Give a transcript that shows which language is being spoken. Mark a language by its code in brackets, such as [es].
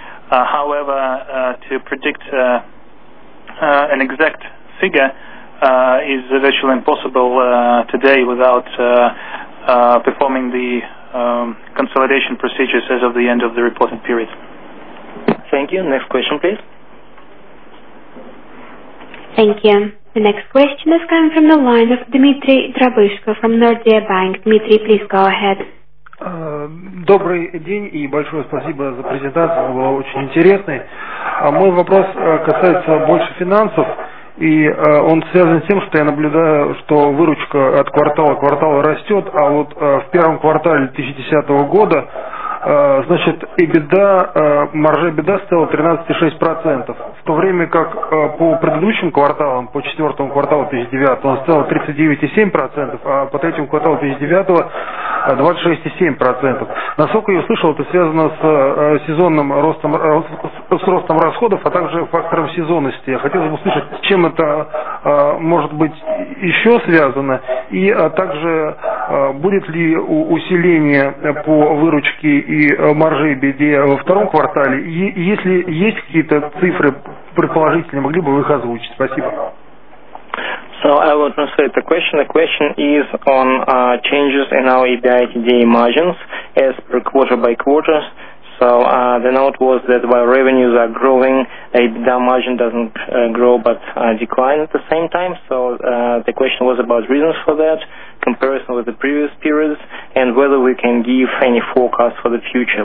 [en] However, to predict an exact figure is virtually impossible today without performing the consolidation procedures as of the end of the reporting period. Thank you. Next question, please. Thank you. The next question is coming from the line of Dmitry Drabushko from Nordea Bank. Dmitry, please go ahead. [ru] Добрый день и большое спасибо за презентацию, была очень интересной. Мой вопрос касается больше финансов, и он связан с тем, что я наблюдаю, что выручка от квартала к кварталу растет, а вот в первом квартале 2010 года, значит, EBITDA, маржа EBITDA стала 13,6%, в то время как по предыдущим кварталам, по четвертому кварталу 2009, он стал 39,7%, а по третьему кварталу 2009 26,7%. Насколько я услышал, это связано с сезонным ростом, с ростом расходов, а также фактором сезонности. Хотелось бы услышать, с чем это может быть еще связано, и также будет ли усиление по выручке и марже EBITDA во втором квартале, и если есть какие-то цифры предположительные, могли бы вы их озвучить? Спасибо. [en] So I will translate the question. The question is on changes in our EBITDA margins as per quarter by quarter. So the note was that while revenues are growing, EBITDA margin doesn't grow but decline at the same time. So the question was about reasons for that, comparison with the previous periods, and whether we can give any forecast for the future.